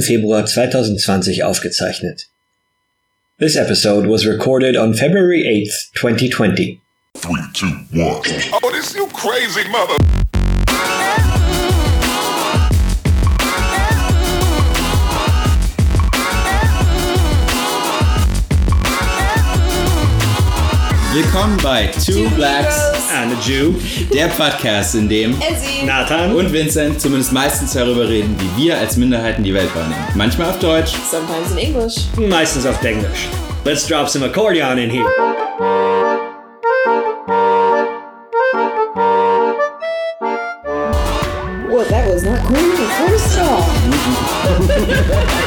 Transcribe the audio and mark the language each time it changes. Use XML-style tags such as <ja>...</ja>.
<de>Februar 2020 aufgezeichnet.</de> <en>This episode was recorded on February 8th, 2020. 3, 2, 1. Oh, this you crazy mother...</en> <de>Willkommen bei Two Blacks and a Jew, der Podcast, in dem Ezzie, Nathan und Vincent zumindest meistens darüber reden, wie wir als Minderheiten die Welt wahrnehmen. Manchmal auf Deutsch,</de> <en>sometimes in English,</en> <de>meistens auf Englisch.</de> <en>Let's drop some accordion in here. Well, that was not cool the first time.</en>